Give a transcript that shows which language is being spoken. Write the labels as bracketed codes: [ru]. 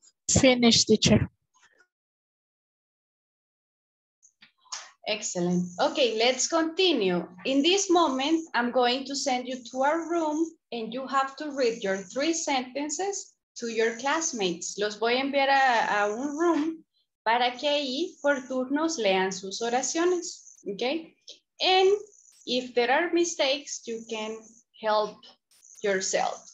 [en] finished, teacher. Excellent. Okay, let's continue. In this moment, I'm going to send you to our room and you have to read your three sentences to your classmates. [es] Los voy a enviar a un room para que ahí por turnos lean sus oraciones. [en] Okay? And if there are mistakes, you can help yourself.